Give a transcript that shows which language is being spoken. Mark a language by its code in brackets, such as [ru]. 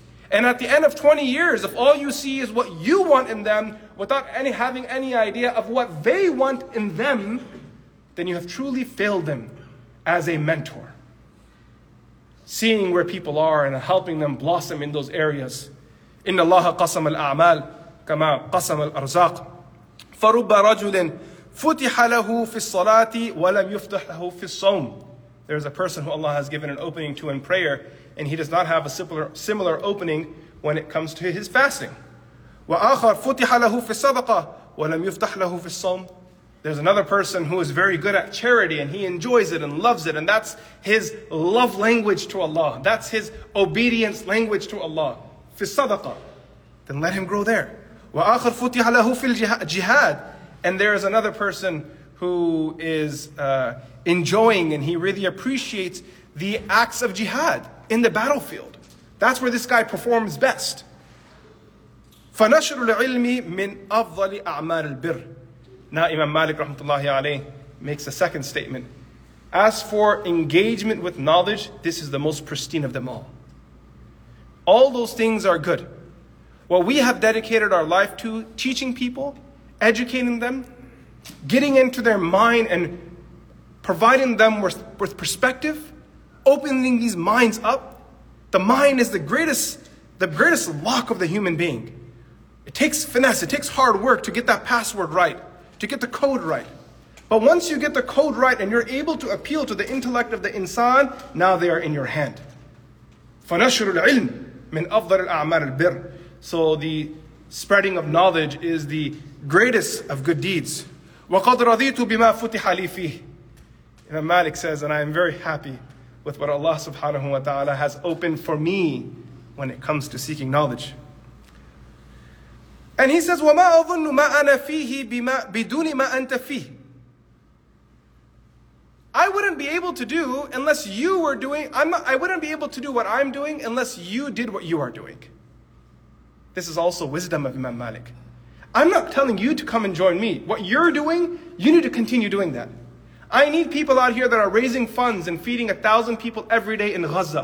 [en] And at the end of 20 years, if all you see is what you want in them without having any idea of what they want in them, then you have truly failed them as a mentor. seeing where people are and helping them blossom in those areas. [ar] إن الله قسم الأعمال كما قسم الأرزاق فرب رجل فتح له في الصلاة ولم يفتح له في الصوم. [en] There is a person who Allah has given an opening to in prayer, and he does not have a similar opening when it comes to his fasting. [ar] وآخر فتح له في الصدقة ولم يفتح له في الصوم. [en] There's another person who is very good at charity and he enjoys it and loves it, and that's his love language to Allah. That's his obedience language to Allah. [ar] في الصدقة. [en] Then let him grow there. [ar] وآخر فتح له في الجهاد. [en] And there is another person who is enjoying and he really appreciates the acts of jihad in the battlefield. That's where this guy performs best. [ar] فنشر العلم من أفضل أعمال البر. [en] Now Imam Malik rahmatullahi alayh makes a second statement. As for engagement with knowledge, this is the most pristine of them all. All those things are good. What we have dedicated our life to, teaching people, educating them, getting into their mind and providing them with perspective, opening these minds up. The mind is the greatest lock of the human being. It takes finesse, it takes hard work to get that password right, to get the code right. But once you get the code right and you're able to appeal to the intellect of the insan, now they are in your hand. [ar] فَنَشْرُ الْعِلْمِ مِنْ أَفْضَلِ الْأَعْمَالِ الْبِرِ. [en] So the spreading of knowledge is the greatest of good deeds. [ar] وَقَدْ رَضِيتُ بِمَا فُتِحَ لِي فِيهِ. [en] Imam Malik says, and I am very happy with what Allah subhanahu wa ta'ala has opened for me when it comes to seeking knowledge. And he says, [ar] وَمَا أَظُنُّ مَا أَنَا فِيهِ بِدُونِ مَا أَنْتَ فِيهِ. [en] I wouldn't be able to do unless you were doing, I wouldn't be able to do what I'm doing unless you did what you are doing. This is also wisdom of Imam Malik. I'm not telling you to come and join me. What you're doing, you need to continue doing that. I need people out here that are raising funds and feeding 1,000 people every day in Gaza.